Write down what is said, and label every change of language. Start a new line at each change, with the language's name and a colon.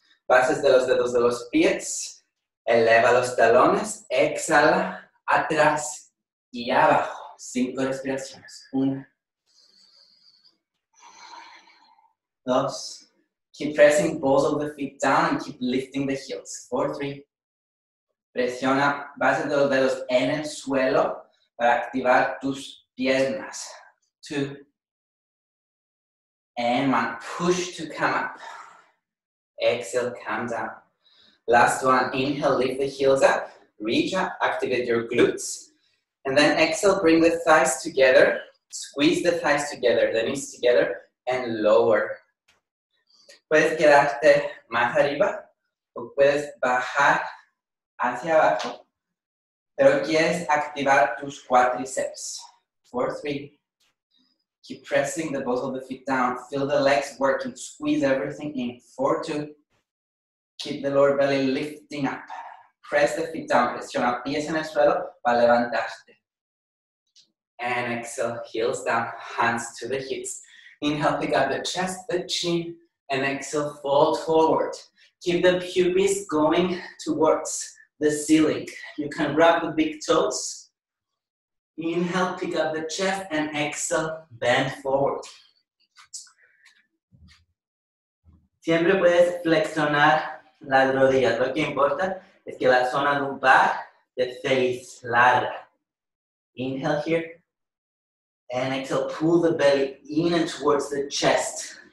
Spanish: Bases de los dedos de los pies. Eleva los talones. Exhala. Atrás. Y abajo. 5 respiraciones. 1, 2.
English: Keep pressing balls of the feet down and keep lifting the heels. 4, 3.
Spanish: Presiona bases de los dedos en el suelo para activar tus piernas.
English: 2. And 1. Push to come up. Exhale, come down. Last one. Inhale, lift the heels up. Reach up, activate your glutes. And then exhale, bring the thighs together. Squeeze the thighs together, the knees together, and lower.
Spanish: Puedes quedarte más arriba o puedes bajar hacia abajo. Pero quieres activar tus cuádriceps. 4, 3.
English: Keep pressing the balls of the feet down. Feel the legs working. Squeeze everything in. 4, 2. Keep the lower belly lifting up. Press the feet down.
Spanish: Presiona pies en el suelo para levantarte.
English: And exhale, heels down, hands to the hips. Inhale, pick up the chest, the chin, and exhale, fold forward. Keep the pubis going towards the ceiling. You can wrap the big toes. Inhale, pick up the chest, and exhale, bend forward.
Spanish: Siempre puedes flexionar las rodillas. Lo que importa es que la zona lumbar te face larga.
English: Inhale here. And exhale, pull the belly in and towards the chest.